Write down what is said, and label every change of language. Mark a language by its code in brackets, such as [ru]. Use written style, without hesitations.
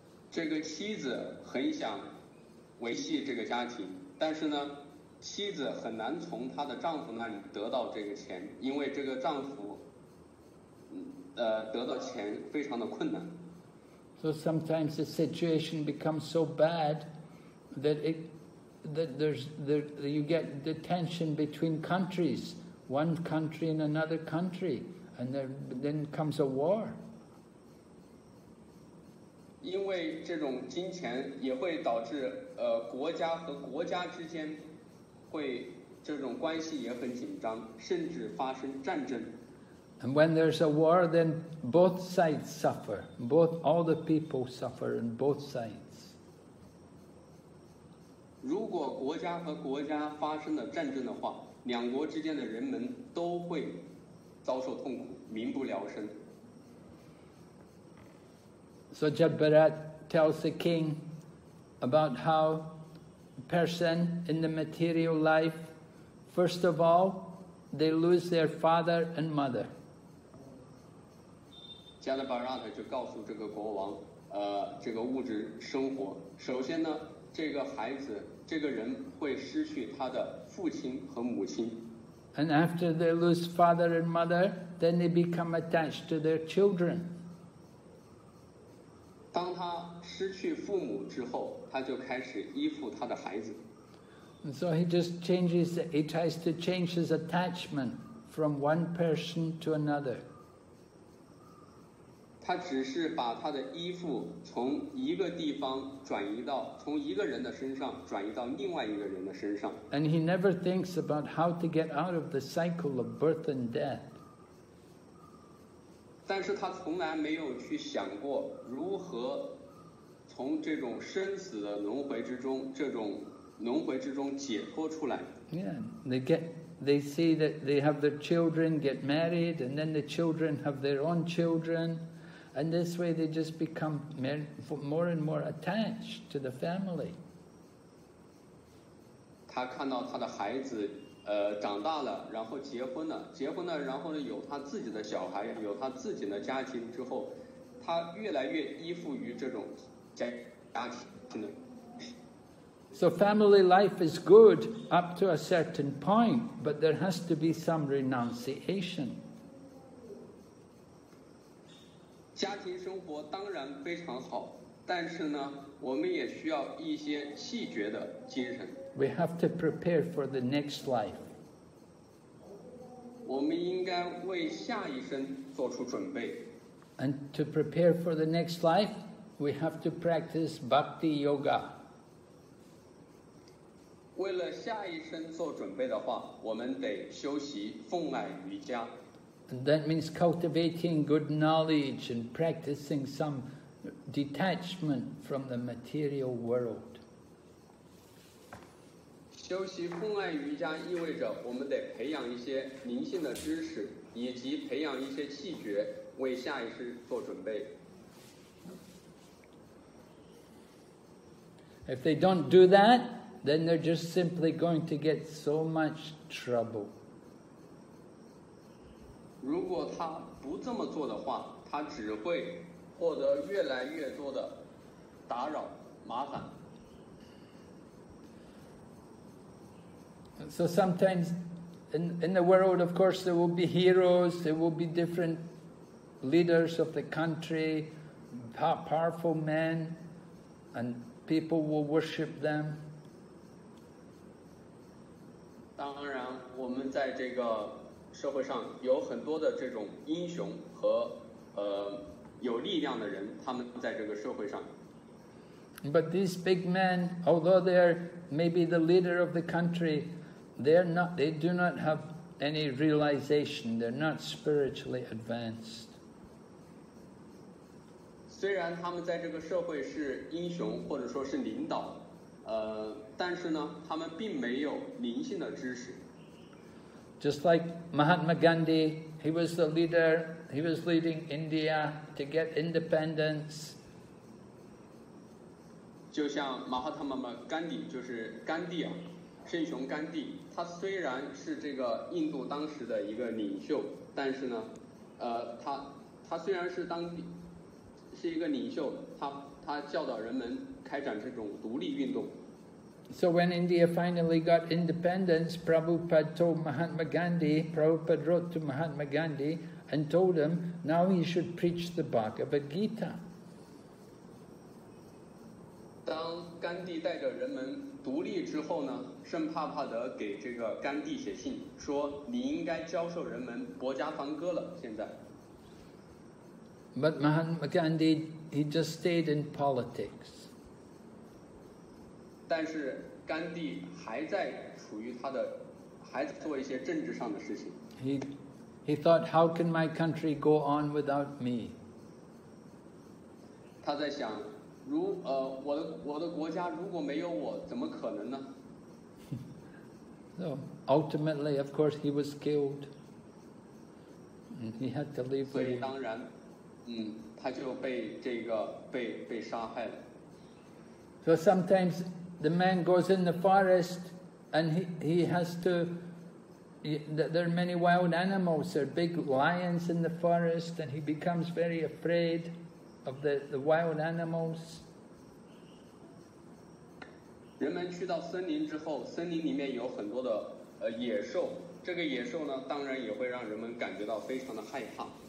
[zh] 这个妻子很想维系这个家庭，但是呢，妻子很难从她的丈夫那里得到这个钱，因为这个丈夫得到钱非常的困难。 [en] So sometimes the situation becomes so bad that you get the tension between countries one country and another country, and then comes a war. [zh] 因为这种金钱也会导致国家和国家之间会这种关系也很紧张，甚至发生战争。 [en] And when there's a war, then both sides suffer. Both all the people suffer on both sides. [zh] 如果国家和国家发生了战争的话，两国之间的人们都会遭受痛苦，民不聊生。 [en] So Jabbarat tells the king about how a person in the material life, first of all, they lose their father and mother. [zh] Jabbarat 就告诉这个国王，这个物质生活，首先呢，这个孩子，这个人会失去他的父亲和母亲。 [en] And after they lose father and mother, then they become attached to their children. [zh] 当他失去父母之后，他就开始依附他的孩子。 [en] And so he just changes, he tries to change his attachment from one person to another. [zh] 他只是把他的依附从一个地方转移到，从一个人的身上转移到另外一个人的身上。 [en] And he never thinks about how to get out of the cycle of birth and death. [zh] 但是他从来没有去想过如何从这种生死的轮回之中，这种轮回之中解脱出来。 [en] Yeah, they see that they have their children get married, and then the children have their own children, and this way they just become more and more attached to the family. [zh] 他看到他的孩子。长大了，然后结婚了，然后呢，有他自己的小孩，有他自己的家庭之后，他越来越依附于这种家庭了。 [en] So family life is good up to a certain point, but there has to be some renunciation. [zh] 家庭生活当然非常好，但是呢，我们也需要一些弃绝的精神。 [en] We have to prepare for the next life. [zh] 我们应该为下一生做出准备。 [en] And to prepare for the next life, we have to practice bhakti yoga. [zh] 为了下一生做准备的话，我们得修习奉爱瑜伽。 [en] And that means cultivating good knowledge and practicing some detachment from the material world. [zh] 修习奉爱瑜伽意味着我们得培养一些灵性的知识，以及培养一些气绝，为下一世做准备。 [en] If they don't do that, then they're just simply going to get so much trouble. [zh] 如果他不这么做的话，他只会获得越来越多的打扰、麻烦。 [en] So sometimes in the world, of course, there will be heroes, there will be different leaders of the country, powerful men, and people will worship them. [zh] 当然我们在这个社会上有很多的这种英雄和有力量的人，他们在这个社会上。 [en] But these big men, although they are maybe the leader of the country,They do not have any realization. They're not spiritually advanced. [zh] 虽然他们在这个社会是英雄或者说是领导，但是呢，他们并没有灵性的知识。 [en] Just like Mahatma Gandhi, he was the leader. He was leading India to get independence. [zh] 就像马哈塔玛玛甘地，就是甘地啊。圣雄甘地，他虽然是这个印度当时的一个领袖，但是呢，他虽然是当地是一个领袖，他教导人们开展这种独立运动。 [en] So when India finally got independence, Prabhupada told Mahatma Gandhi. Prabhupada wrote to Mahatma Gandhi and told him, now he should preach the Bhagavad Gita. [zh] 当甘地带着人们独立之后呢，圣帕帕德给这个甘地写信说，你应该教授人们博加方歌了。现在 [en] But Mahatma Gandhi, he just stayed in politics. [zh] 但是甘地还在处于他的，还在做一些政治上的事情。 [en] He thought, how can my country go on without me? [zh] 他在想，如我的国家如果没有我，怎么可能呢？ [en] So ultimately, of course, he was killed. He had to leave. [zh] 所以当然，他就被这个被杀害了。 [en] So sometimes the man goes in the forest, and he has to. There are many wild animals. There are big lions in the forest, and he becomes very afraid of the wild animals. [zh] 人们去到森林之后，森林里面有很多的野兽。这个野兽呢，当然也会让人们感觉到非常的害怕。